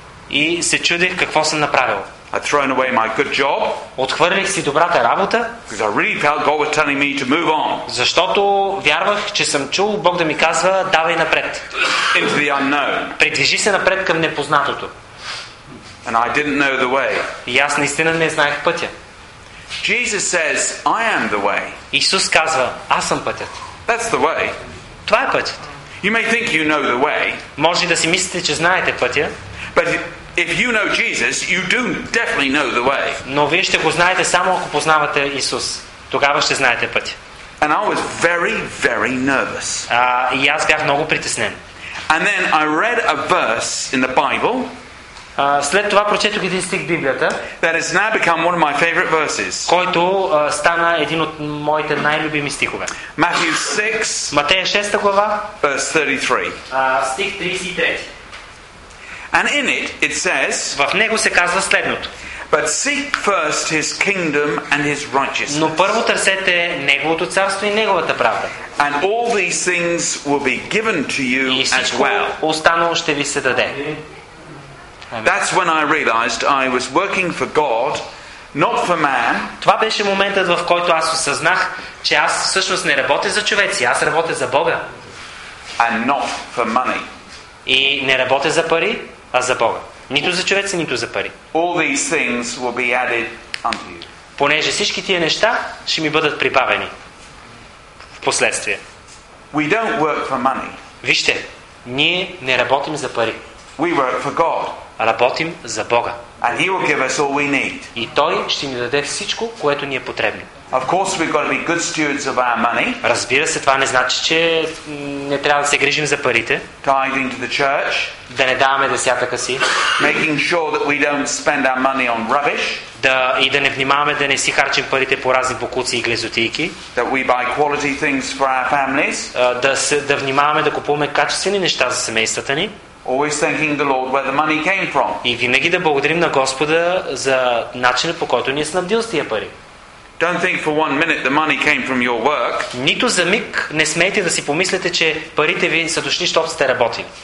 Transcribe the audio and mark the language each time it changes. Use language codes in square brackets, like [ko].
[bg] И се чудех какво съм направил. [en] I'd thrown away my good job. [bg] Отхвърлих си добрата работа. [en] Because I really felt God was telling me to move on. [bg] Защото вярвах, че съм чул Бог да ми казва: "Давай напред." [en] Into the unknown. [bg] Придвижи се напред към непознатото. [en] And I didn't know the way. [bg] И аз наистина не знаех пътя. [en] Jesus says, "I am the way." [bg] Исус казва: "Аз съм пътят." [en] That's the way. [bg] Това е пътят. [en] You may think you know the way. [bg] Може да си мислите, че знаете пътя. [en] But if you know Jesus, you do definitely know the way. [bg] Но вие ще го знаете само ако познавате Исус. Тогава ще знаете пътя. [en] And I was very, very nervous. [bg] И аз бях много притеснен. [en] And then I read a verse in the Bible. [bg] След това прочетох един стих в Библията. [en] That has now become one of my favorite verses. [bg] Който стана един от моите най-любими стихове. [en] Matthew 6. [bg] Матея 6 глава. [en] Verse 33. [bg] Стих 33. [en] And in it it says, [bg] в него се казва следното. [en] But seek first his kingdom and his righteousness. [bg] Но първо търсете неговото царство и неговата правда. [en] And all these things will be given to you as well. [bg] Останало ще ви се даде. [en] That's when I realized I was working for God, not for man. [bg] Това беше моментът, в който аз осъзнах, че аз всъщност не работя за човеци, аз работя за Бога. [en] And not for money. [bg] И не работя за пари, а за Бога. Нито за човеци, нито за пари. [en] All these things will be added unto you. [bg] Понеже всички тия неща ще ми бъдат прибавени впоследствие. [en] We don't work for money. [bg] Вижте, ние не работим за пари. [en] We work for God. [bg] Работим за Бога. [en] And he will give us all we need. [bg] И Той ще ни даде всичко, което ни е потребно. [en] Of course we've got to be good stewards of our money. [bg] Разбира се, това не значи, че не трябва да се грижим за парите. [en] Tithing to the church. [bg] Да не даваме десятъка си. [en] Making sure that we don't spend our money on rubbish. [bg] Да, и да не внимаваме да не си харчим парите по разни боклуци и глезотийки. [en] That we buy quality things for our families. [bg] Да внимаваме да купуваме качествени неща за семействата ни. [en] Always thanking the Lord where the money came from. [bg] И винаги да благодарим на Господа за начина, по който ни е снабдил с тия пари. [en] Don't think for one minute the money came from your work. [bg] Нито за миг не смейте да си помислите, че парите ви са дошли, защото сте работили.